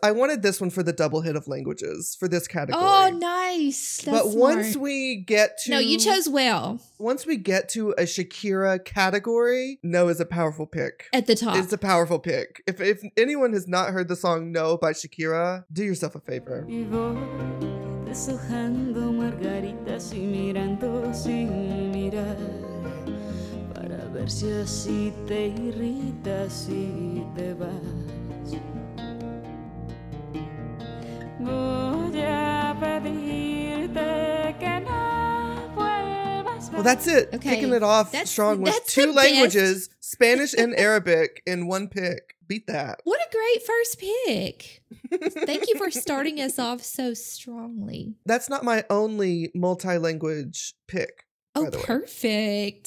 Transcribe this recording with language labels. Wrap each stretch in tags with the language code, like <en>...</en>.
<en>I wanted this one for the double hit of languages for this category. Oh, nice. That's but smart. Once we get to... No, you chose well. Once we get to a Shakira category, No is a powerful pick. At the top. It's a powerful pick. If anyone has not heard the song No by Shakira, do yourself a favor.</en> <es>Deshojando margaritas y mirando sin mirar para ver si así te irritas y te vas. Voy a pedirte que no vuelvas.</es> <en>Well, that's it. Okay. Kicking it off strong with two languages, Spanish and Arabic, in one pick. Beat that. What a great first pick. Thank you for starting us off so strongly. That's not my only multi-language pick. Oh, perfect.</en>